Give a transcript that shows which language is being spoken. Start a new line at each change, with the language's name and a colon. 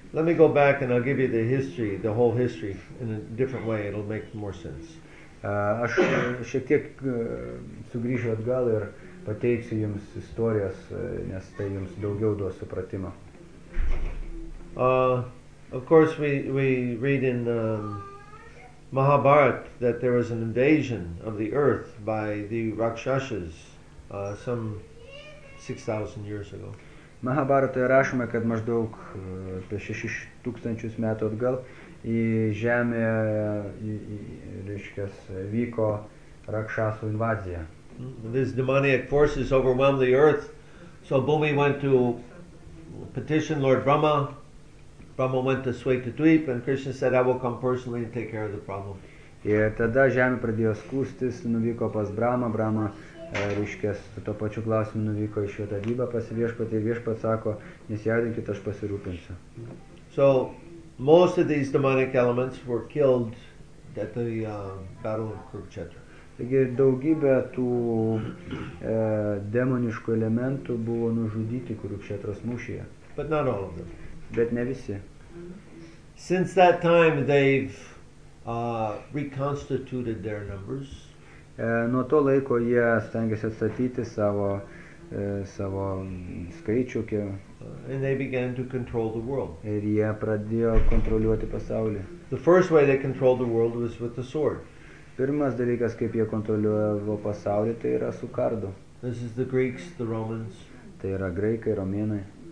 English: Let me go back and I'll give you the history, the whole history in a different way, it'll make more sense.
Lithuanian: Aš šiek tiek sugrįžiu atgal ir pateiksiu jums istorijas, nes tai jums daugiau duos supratimo.
English: Of course we read in Mahabharat that there was an invasion of the earth by the Rakshasas some 6,000 years ago.
Lithuanian: Mahabharatoje rašoma, kad maždaug apie 6000 metų atgal į žemę reiškia vyko Rakshasų invazija.
English: These demoniac forces overwhelmed the earth, so Bhumi went to petition Lord Brahma. Brahma went to Svetadvipa and Krishna said, I will come personally and take care of the problem.
Lithuanian: Ir tada žemė pradėjo skūstis, nuvyko pas Brahma. Brahma reiškės to pačiu klausimu nuvyko į Svetadvipą pas viešpatį. Viešpats sako, nesijaudinkit, aš pasirūpinsiu.
English: So, most of these demonic elements were killed at the battle of Kurukshetra.
Lithuanian: Taigi daugybė tų demoniškų elementų buvo nužudyti Kurukshetros mūšyje.
English: But not all of them.
Lithuanian: Bet ne visi.
English: Since that time they've reconstituted their numbers.
Lithuanian: Nuo to laiko jie stengiasi atstatyti savo skaičių.
English: and they began to control the world.
Lithuanian: Ir jie pradėjo kontroliuoti pasaulį.
English: The first way they controlled the world was with the sword.
Lithuanian: Pirmas dalykas, kaip jie kontroliuojavo pasaulį, tai yra su kardu.
English: This is the Greeks, the Romans.
Lithuanian: Tai yra graikai, romėnai.